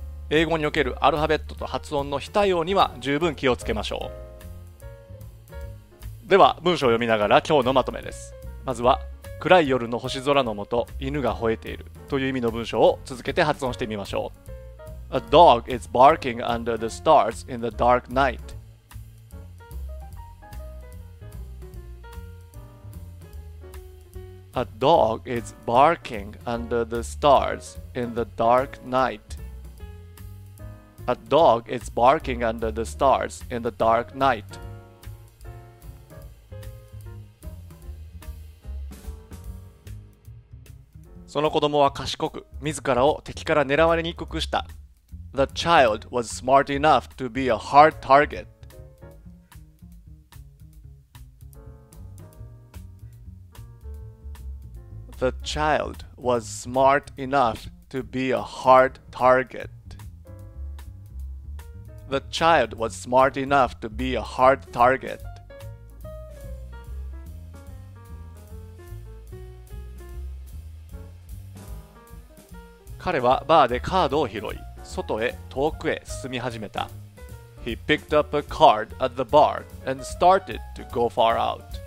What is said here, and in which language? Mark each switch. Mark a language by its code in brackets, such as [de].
[ja] 英語におけるアルファベットと発音の非対応には十分気をつけましょう。では文章を読みながら今日のまとめです。まずは暗い夜の星空のもと犬が吠えているという意味の文章を続けて発音してみましょう。 [en] A dog is barking under the stars in the dark night。 A dog is barking under the stars in the dark night。 A dog is barking under the stars in the dark night。 [ja] その子供は賢く、自らを敵から狙われにくくした。 [en] The child was smart enough to be a hard target. The child was smart enough to be a hard target. The child was smart enough to be a hard target. [ja] 彼はバーでカードを拾い、外へ遠くへ進み始めた。 [en] He picked up a card at the bar and started to go far out.